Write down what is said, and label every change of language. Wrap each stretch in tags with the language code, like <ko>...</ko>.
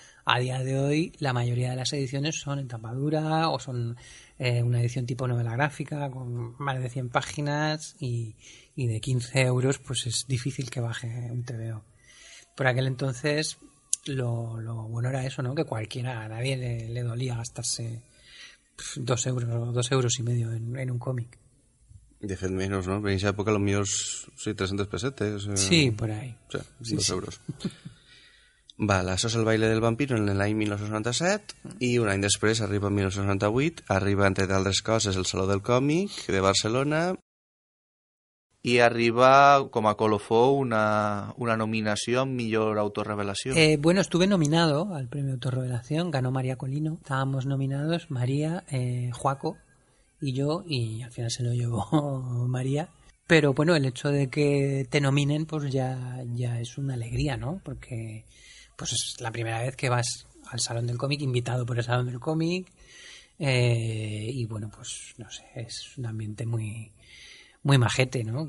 <es>A día de hoy, la mayoría de las ediciones son en tapa dura o son una edición tipo novela gráfica con más de 100 páginas y de 15 euros, pues es difícil que baje un TVO. Por aquel entonces, lo bueno era eso, ¿no? Que cualquiera, a nadie le dolía gastarse 2 euros o 2,5 euros en un cómic.</es> <ca>De fet,</ca> <es>menos, ¿no? En esa época, los míos, sí, 300 pesetes. Sí, por ahí. O sea, sí, 2 euros. Sí.</es> <ca>Vale, això és el baile del vampiro en l'any 1997 i un any després arriba en 1998, arriba entre d'altres coses el Saló del Còmic de Barcelona i arriba com a colofó una nominació a millor autorrevelació.</ca> <es>Bueno, estuve nominado al Premio Autorrevelación, ganó María Colino, estábamos nominados María, Joaco y yo, y al final se lo llevó María. Pero bueno, el hecho de que te nominen pues ya es una alegría, ¿no? Porque... pues es la primera vez que vas al Salón del Cómic, invitado por el Salón del Cómic, y bueno, pues no sé, es un ambiente muy muy majete, ¿no?</es>